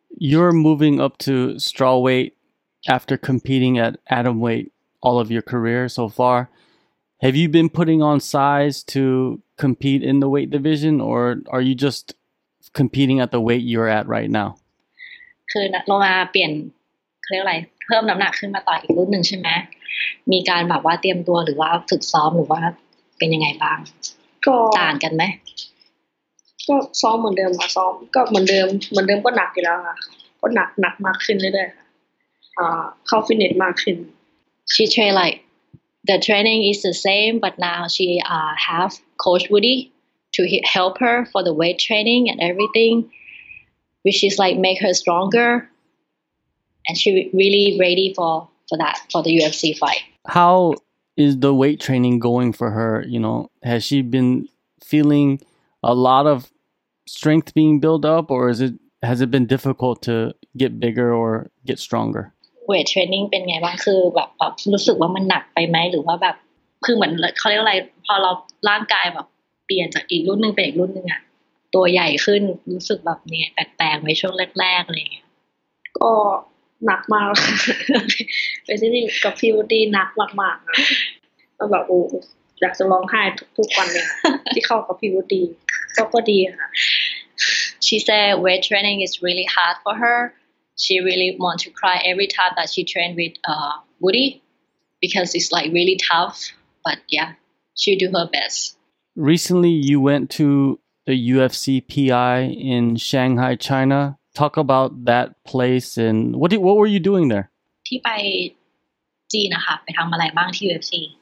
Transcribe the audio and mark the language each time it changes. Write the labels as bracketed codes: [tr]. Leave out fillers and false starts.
[en] You're moving up to strawweight after competing at atomweight all of your career so far. Have you been putting on size to compete in the weight division or are you just competing at the weight you're at right now? [th] คือโลมาเปลี่ยนเขาเรียกอะไรเพิ่มน้ำหนักขึ้นมาต่ออีกรุ่นหนึ่งใช่ไหม มีการแบบว่าเตรียมตัวหรือว่าฝึกซ้อมหรือว่าเป็นยังไงบ้าง ก็ ต่างกันไหม ก็ซ้อมเหมือนเดิมค่ะซ้อมก็เหมือนเดิมเหมือนเดิมก็หนักอยู่แล้วค่ะก็หนักมากขึ้นเรื่อยๆค่ะเข้าฟิตเนสมากขึ้น [en] She train like the training is the same but now she have coach Woody to help her for the weight training and everything which is like make her stronger and she really ready for that for the UFC fight. How is the weight training going for her? You know, has she been feeling a lot of strength being built up, or has it been difficult to get bigger or get stronger? [th] Weight training เป็นไงบ้างคือแบบรู้สึกว่ามันหนักไปไหมหรือว่าแบบคือเหมือนเขาเรียกอะไรพอเราร่างกายแบบเปลี่ยนจากอีกรุ่นนึงเป็นอีกรุ่นนึงอะตัวใหญ่ขึ้นรู้สึกแบบเนี่ยแปลกๆในช่วงแรกๆอะไรเงี้ย ก็หนักมากเลยที่กับพี่วูดี้หนักมากๆอ่ะก็แบบโอ้อยากจะร้องไห้ทุกๆวันเลยที่เข้ากับพี่วูดี้ก็ดีค่ะ [en] She said weight training is really hard for her. She really want to cry every time that she train with Woody because it's like really tough. But yeah, she do her best. Recently, you went to the UFC PI in Shanghai, China. Talk about that place and what were you doing there? [th] ที่ไปจีนนะคะไปทำอะไรบ้างที่ UFC